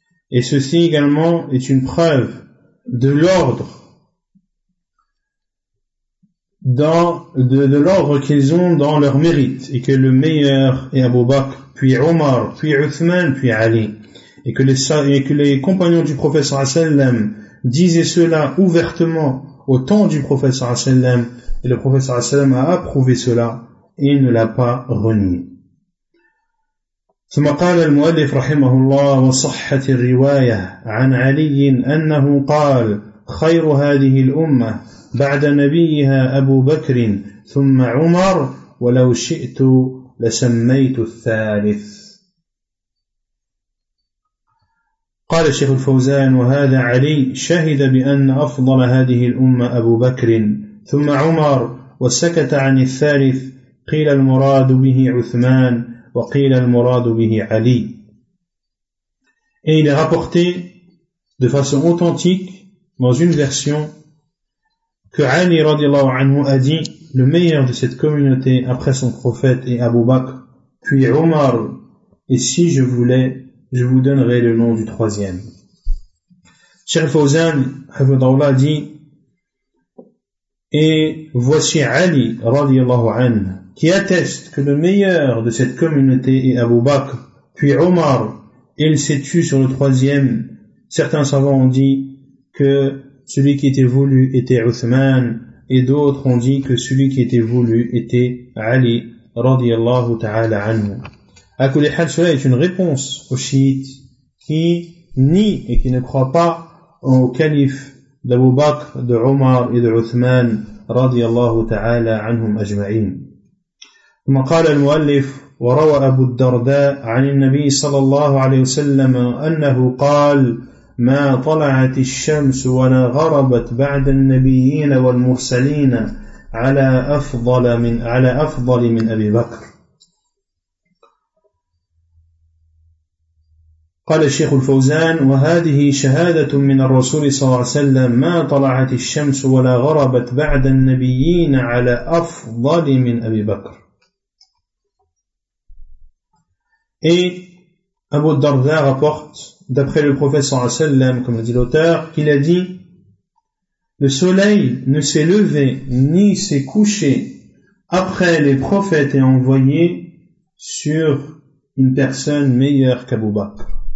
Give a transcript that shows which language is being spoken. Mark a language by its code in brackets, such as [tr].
[fr] Et ceci également est une preuve de l'ordre de l'ordre qu'ils ont dans leur mérite, et que le meilleur est Abu Bakr, puis Omar, puis Uthman, puis Ali, et que les compagnons du prophète sallam disaient cela ouvertement au temps du prophète sallam, et le prophète sallam a approuvé cela et ne l'a pas renié. [ar] ثم قال المؤلف رحمه الله وصحة الرواية عن علي أنه قال خير هذه الأمة بعد نبيها أبو بكر ثم عمر ولو شئت لسميت الثالث. قال الشيخ الفوزان وهذا علي شهد بأن أفضل هذه الأمة أبو بكر ثم عمر وسكت عن الثالث قيل المراد به عثمان وقيل المراد به علي. [fr] Il est rapporté de façon authentique dans une version que Ali radiallahu anhu a dit: le meilleur de cette communauté après son prophète est Abu Bakr, puis Omar, et si je voulais, je vous donnerais le nom du troisième. Cheikh Fawzan hafidhahullah dit: et voici Ali radiallahu anhu qui atteste que le meilleur de cette communauté est Abu Bakr, puis Omar, et il s'est tué sur le troisième. Certains savants ont dit que celui qui était voulu était Uthman, et d'autres ont dit que celui qui était voulu était Ali, radiyallahu ta'ala anhu. [ar] À Kulli Hal, [fr] cela est une réponse aux chiites qui nient et qui ne croient pas au calife d'Abu Bakr, de Omar et de Uthman, radiyallahu ta'ala anhum ajma'in. [ar] ثم قال المؤلف وروى أبو الدرداء عن النبي صلى الله عليه وسلم أنه قال ما طلعت الشمس ولا غربت بعد النبيين والمرسلين على أفضل من أبي بكر. قال الشيخ الفوزان وهذه شهادة من الرسول صلى الله عليه وسلم ما طلعت الشمس ولا غربت بعد النبيين على أفضل من أبي بكر. [fr] Et Abu Darda rapporte, d'après le prophète sallallahu alayhi wa sallam, comme le dit l'auteur, qu'il a dit: le soleil ne s'est levé ni s'est couché après les prophètes et envoyés sur une personne meilleure qu'Abu Bakr.